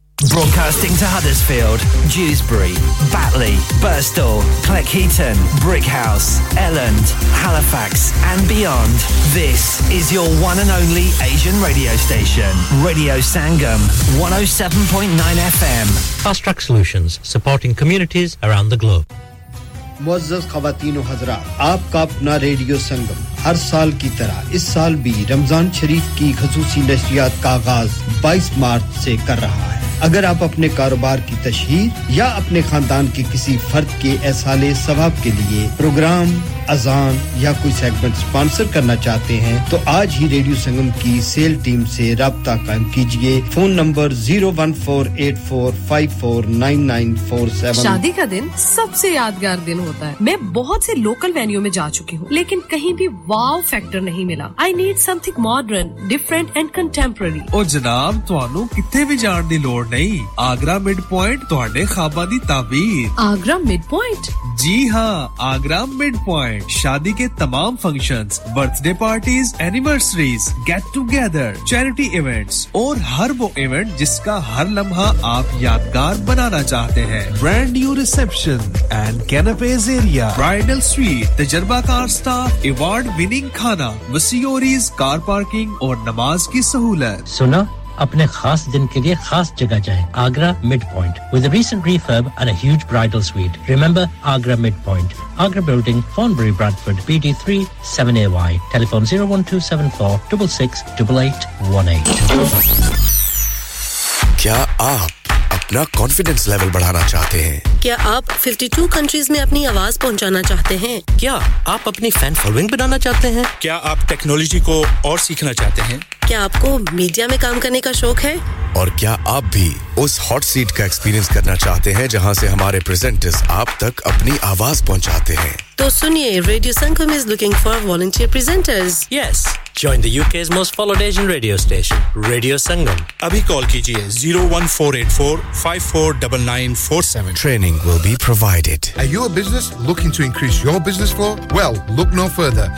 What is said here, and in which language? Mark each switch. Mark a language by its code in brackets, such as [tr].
[en] Broadcasting to Huddersfield, Dewsbury, Batley, Birstall, Cleckheaton, Brickhouse, Elland, Halifax and beyond. This is your one and only Asian radio station. Radio Sangam, 107.9 FM. Fast Track Solutions, supporting communities around the globe. [ur] معزز خواتین و حضرات آپ کا اپنا radio سنگم ہر سال کی طرح اس سال بھی رمضان شریف کی خصوصی نشریات کا آغاز 22 مارچ سے کر رہا ہے اگر آپ اپنے کاروبار کی تشہیر یا اپنے خاندان کے کسی فرد کے احصال ثواب کے لیے پروگرام اذان یا کوئی سیگمنٹ سپانسر کرنا چاہتے ہیں تو آج ہی ریڈیو سنگم کی سیل ٹیم سے رابطہ قائم کیجئے فون نمبر 01484549947 شادی کا دن سب سے یادگار دن ہوتا ہے میں بہت سے لوکل وینیو میں جا چکی ہوں لیکن کہیں بھی واو فیکٹر نہیں ملا [en] I need something modern different and contemporary [pa] او جناب تانوں کتھے بھی جان دی لوڑ نہیں آگرا مڈ پوائنٹ تہاڈے خواباں دی تعبیر [ur] آگرا مڈ پوائنٹ جی ہاں آگرا مڈ پوائنٹ شادی کے تمام functions birth day parties anniversaries get together charity events اور ہر وہ ایونٹ جس کا ہر لمحہ آپ یادگار بنانا چاہتے ہیں brand new reception and canapés area bridal sweet تجربہ کار سٹاف ایوارڈ وننگ کھانا وسیوریز کار پارکنگ اور نماز کی سہولت سنا اپنے خاص دن کے لیے خاص جگہ جائیں [en] Agra mid point with a recent refurb and a huge bridal suite remember Agra mid point Agra building Thornbury Bradford B D 3 7 A Y telephone 01274668818 [ur] کیا آپ اپنا کانفیڈنس لیول بڑھانا چاہتے ہیں کیا آپ 52 کنٹریز میں اپنی آواز پہنچانا چاہتے ہیں کیا آپ اپنی فین فالوئنگ بنانا چاہتے ہیں کیا آپ ٹیکنالوجی کو اور سیکھنا چاہتے ہیں کیا آپ کو میڈیا میں کام کرنے کا شوق ہے اور کیا آپ بھی اس ہاٹ سیٹ کا ایکسپیرینس کرنا چاہتے ہیں جہاں سے ہمارے پریزنٹرز آپ تک اپنی آواز پہنچاتے ہیں تو سنیے [en] Radio Sangam is looking for volunteer presenters yes Join the UK's most followed Asian radio station, Radio Sangam. [ur] Abhi call kijiye 01484-549947. [en] Training will be provided. Are you a business looking to increase your business flow? Well, look no further.